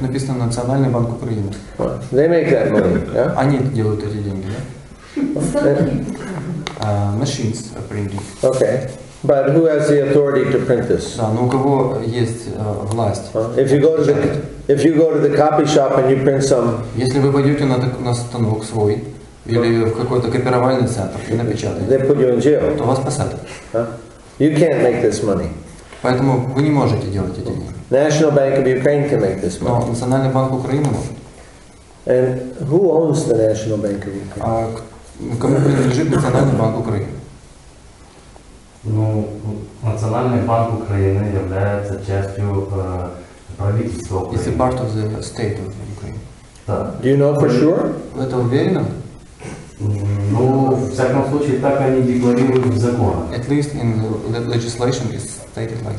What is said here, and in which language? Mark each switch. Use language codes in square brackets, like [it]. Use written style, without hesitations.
[ru] Написано Национальный банк Украины. [en] They make that money. Yeah? [ru] Они делают эти деньги, да? [en] Machines are printing. Okay. But who has the authority to print this? [ru] Да, но у кого есть власть? [en] If you go to the copy shop and you print some. [ru] Если вы пойдете на станок свой или в какой-то копировальный центр и напечатаете. [en] They put you in jail. [ru] То вас посадят. [en] You can't make this money. [ru] Поэтому вы не можете делать эти деньги. [en] National Bank of Ukraine can make this money. [ru] Но Национальный банк Украины может. [en] And who owns the National Bank of Ukraine? [ru] А кому принадлежит Национальный банк Украины? Ну, Национальный банк Украины является частью правительства Украины. [en] It's a part of the state of Ukraine. [ru] Да. [en] Do you know for sure? [ru] Вы это уверены? Ну, в всяком случае, так они декларируют в законах. [en] At least in the legislation is stated like